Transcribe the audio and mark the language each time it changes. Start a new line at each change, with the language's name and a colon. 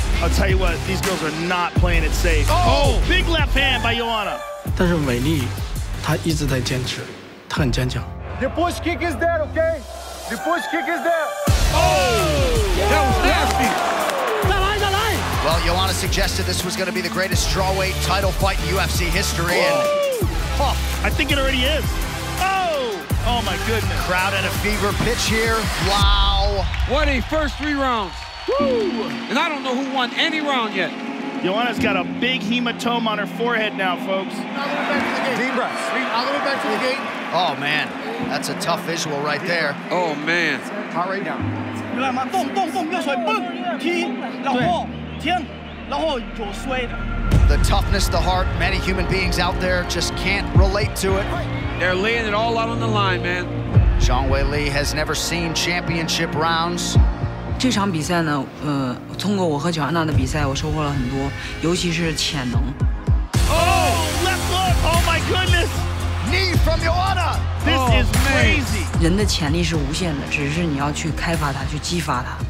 English: I'll tell you what, these girls are not playing it safe. Big left hand by Ioana。
Chinese: 但是韦利，他一直在坚持，他很坚强。
English: The push kick is there, okay? The push kick is there. That was nasty. Well, Ioana suggested this was going to be the greatest strawweight title fight in UFC history. I think it already is. Oh my goodness. Crowd at a fever pitch here. Wow. What a first three rounds. And I don't know who won any round yet. Ioana's got a big hematoma on her forehead now, folks. Deep breaths. I'll go back to the gate. Oh, man. That's a tough visual right there. Oh, man. Heart rate down.
Chinese: 明白吗？动动动，右腿蹦踢，然后停，然后左摔。
English: The toughness, the heart, many human beings out there just can't relate to it. They're laying it all out on the line, man. Zhang Weili has never seen championship rounds.
Chinese: 这场比赛呢，通过我和乔安娜的比赛，我收获了很多，尤其是潜能。
English: Left foot! Oh my goodness! Knee from Ioana! This is crazy.
Chinese: 人的潜力是无限的，只是你要去开发它，去激发它。